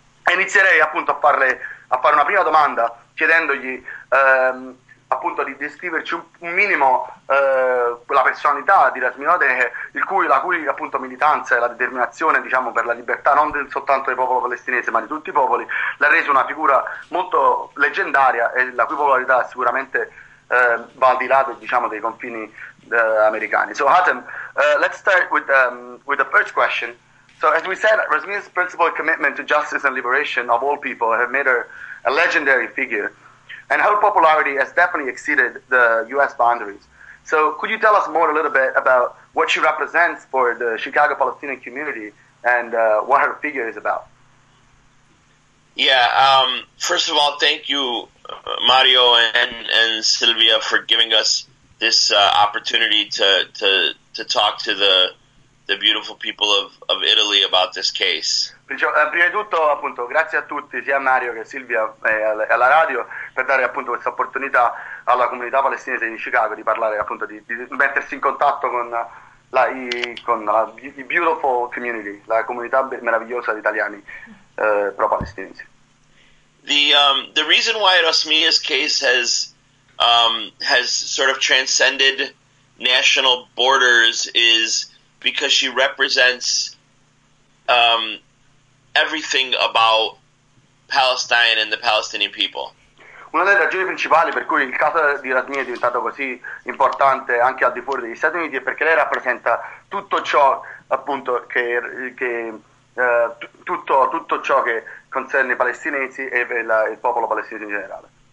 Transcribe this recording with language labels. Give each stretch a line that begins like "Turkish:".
Italian: Inizierei appunto a fare una prima domanda, chiedendogli appunto di descriverci un minimo la personalità di Rasmia Odeh, la cui appunto militanza e la determinazione, diciamo, per la libertà non soltanto del popolo palestinese ma di tutti i popoli, l'ha resa una figura molto leggendaria e la cui popolarità sicuramente va al di là, diciamo, dei confini americani. So Hatem,
English: Let's start with the first question. So as we said, Rasmina's principled commitment to justice and liberation of all people have made her a legendary figure, and her popularity has definitely exceeded the U.S. boundaries. So could you tell us more a little bit about what she represents for the Chicago Palestinian community and what her figure is about? Yeah, first of all, thank you, Mario and Sylvia, for giving us this opportunity to talk to the beautiful people of Italy about this case.
Italian: Prima di tutto, appunto, grazie a tutti, sia a Mario che a Silvia e alla radio, per dare appunto questa opportunità alla comunità palestinese di Chicago di parlare, appunto, di mettersi in contatto con la
English: beautiful community,
Italian: la comunità meravigliosa di italiani pro-palestinesi.
English: The reason why Rasmina's case has sort of transcended national borders is because she represents everything about Palestine and the Palestinian people.
Italian: Una delle ragioni principali per cui il caso di Rasmina è diventato così importante anche al di fuori degli Stati Uniti è perché lei rappresenta tutto ciò, appunto, tutto ciò che concerne i palestinesi e il popolo palestinese in generale.